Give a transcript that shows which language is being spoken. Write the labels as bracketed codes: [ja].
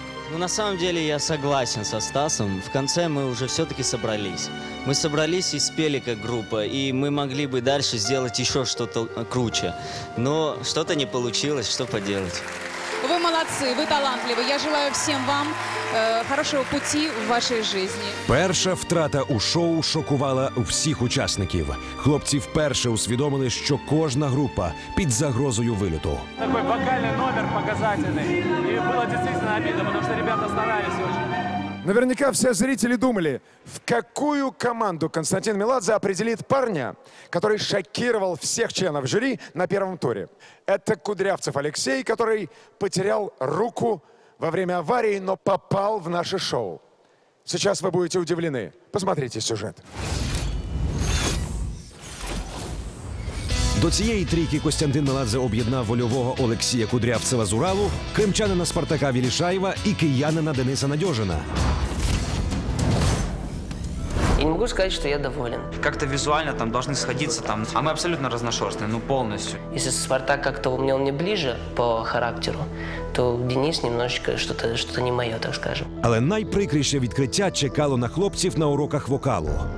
[ru] Ну, на самом деле, я согласен со Стасом. В конце мы уже все-таки собрались. Мы собрались и спели как группа, и мы могли бы дальше сделать еще что-то круче. Но что-то не получилось, что поделать. Вы молодцы, вы талантливы. Я желаю всем вам хорошего пути в вашей жизни. [uk] Перша втрата у шоу шокувала всіх учасників. Хлопці вперше усвідомили, що кожна група під загрозою виліту. Такий вокальний номер показательний. І було дійсно обідно, тому що ребята старалися дуже. [ru] Наверняка все зрители думали, в какую команду Константин Меладзе определит парня, который шокировал всех членов жюри на первом туре. Это Кудрявцев Алексей, который потерял руку во время аварии, но попал в наше шоу. Сейчас вы будете удивлены. Посмотрите сюжет. [uk] До цієї трійки Костянтин Меладзе об'єднав вольового Олексія Кудрявцева з Уралу, кримчанина Спартака Вілішаєва і киянина Дениса Надьожина. [ru] Я не могу сказать, что я доволен. Как-то визуально там должны сходиться, там, а мы абсолютно разношерстные, ну полностью. Если Спартак как-то умнел мне ближе по характеру, то Денис немножечко что-то не мое, так скажем. [uk] Але найприкріше відкриття чекало на хлопців на уроках вокалу.